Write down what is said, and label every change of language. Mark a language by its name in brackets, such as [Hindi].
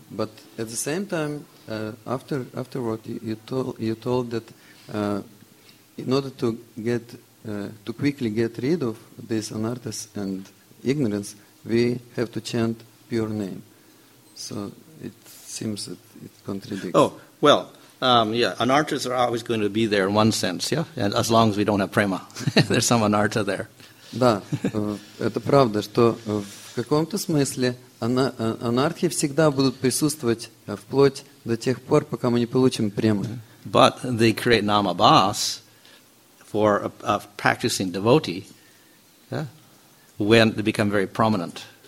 [English] But at the same time, afterward, you told that in order to get to quickly get rid of this anarthas and ignorance, we have to chant pure name. So it seems that it contradicts. Oh, well, anarthas are always going to be there in one sense, yeah? And as long as we don't have prema, there's some anartha there. [Russian] Да, это правда, что в каком-то смысле анархи всегда будут присутствовать вплоть до тех пор, пока мы не получим премы. [English] But they create namabhas for a practicing devotee, yeah, when they become very prominent.